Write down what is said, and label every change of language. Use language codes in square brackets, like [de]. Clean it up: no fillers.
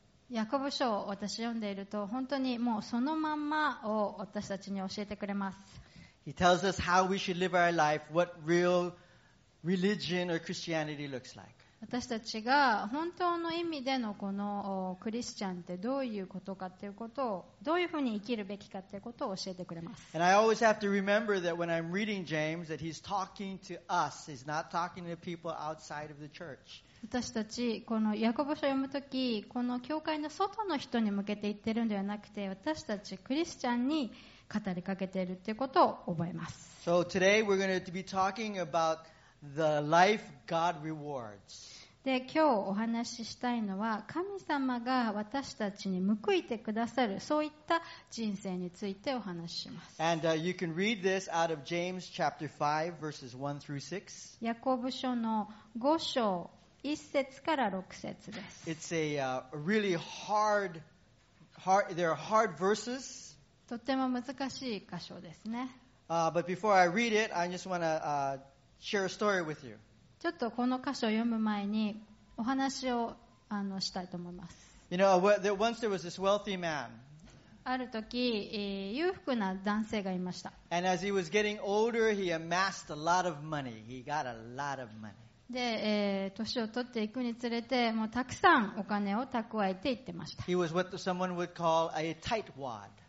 [ja] ヤコブ書を私読んでいると本当にもうそのまんまを私たちに教えてくれます。 [en] He tells us how we should live our life, what real religion or Christianity looks like. [ja] 私たちが本当の意味でのこのクリスチャンってどういうことかっていうことをどういうふうに生きるべきかっていうことを教えてくれます。 [en] And I always have to remember that when I'm reading James that he's talking to us. He's not talking to people outside of the church. [ja] 私たちこのヤコブ書を読むときこの教会の外の人に向けて言ってるんではなくて私たちクリスチャンに語りかけているっていうことを覚えます。 [en] So today we're going to be talking aboutThe life God rewards. [ja] で、今日お話ししたいのは、神様が私たちに報いてくださる、そういった人生についてお話しします。 [en] And you can read this out of James chapter 5, verses 1 through 6. [ja] ヤコブ書の5章1節から6節です。 [en] It's a really hard, they're hard verses. [ja] とても難しい箇所ですね。 [en] But before I read it, I just want to share a story with you. [ja] ちょっとこの箇所を読む前にお話をしたいと思います。 [en] You know, once there was this wealthy man. [ja] ある時、裕福な男性がいました。 [en] And as he was getting older, he amassed a lot of money. He got a lot of money. [ja] で、年を取っていくにつれて、もうたくさんお金を蓄えていってました。 [en] He was what someone would call a tightwad.